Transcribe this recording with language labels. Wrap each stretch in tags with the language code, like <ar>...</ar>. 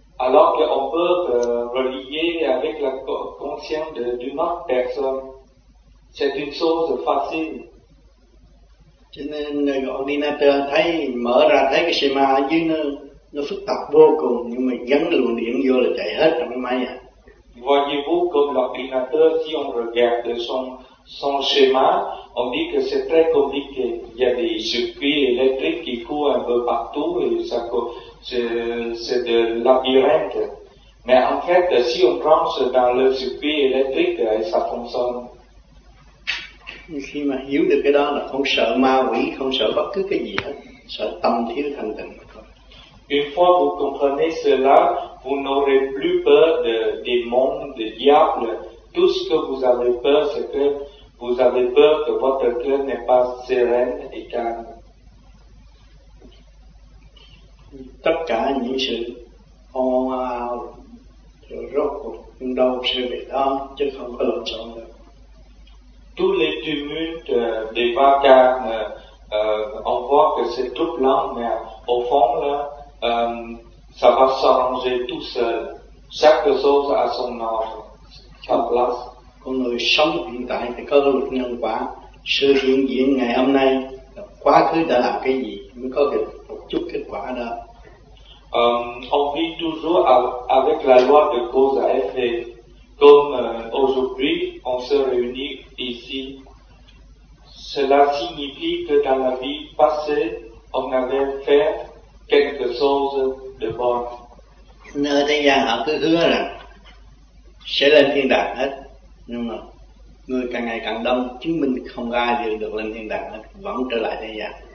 <fr>Alors qu'on peut relier avec la conscience d'une autre personne, c'est une chose facile.</fr> <vi>Cho nên ordinateur thấy mở ra thấy cái schéma ở dưới nó phức tạp vô cùng, nhưng mà gắn luồng điện vô là chạy hết trong máy à.</vi> <fr>Voyez-vous comme l'ordinateur, si on regarde son schéma, on dit que c'est très compliqué. Il y a des circuits électriques qui courent un peu partout et ça c'est de labyrinthe. Mais en fait, si on branche dans le circuit électrique, ça fonctionne.</fr> <vi>Khi mà hiểu được cái đó là không sợ ma quỷ, không sợ bất cứ cái gì hết, sợ tâm thiếu thanh tịnh.</vi> <fr>Une fois vous comprenez cela, vous n'aurez plus peur de démons, de diables. Tout ce que vous avez peur, c'est que vous avez peur que votre cœur n'est pas sereine et calme.</fr> <vi>Tất cả những sự hoang mang rồi rốt cuộc cũng đâu sẽ về đó, chứ không có lộn xộn được.</vi> <fr>Tous les tumultes des vacarmes, on voit que c'est tout lent, mais au fond, là, ça va s'arranger tout seul. Chaque chose a son ordre, sa place.</fr> <vi>Con người sống hiện tại thì có luật nhân quả. Sự hiện diện ngày hôm nay, quá khứ đã làm cái gì mới có được một chút kết quả đó.</vi> <fr>On vit toujours avec la loi de cause à effet. Comme aujourd'hui, on se réunit ici. Cela signifie que dans la vie passée, on avait fait quelque chose de bon.</fr> <vi>Nơi thế gian họ cứ hứa rằng sẽ lên thiên đàng hết, nhưng mà người càng ngày càng đông chứng minh không ai đều được lên thiên đàng hết, vẫn trở lại thế gian.</vi>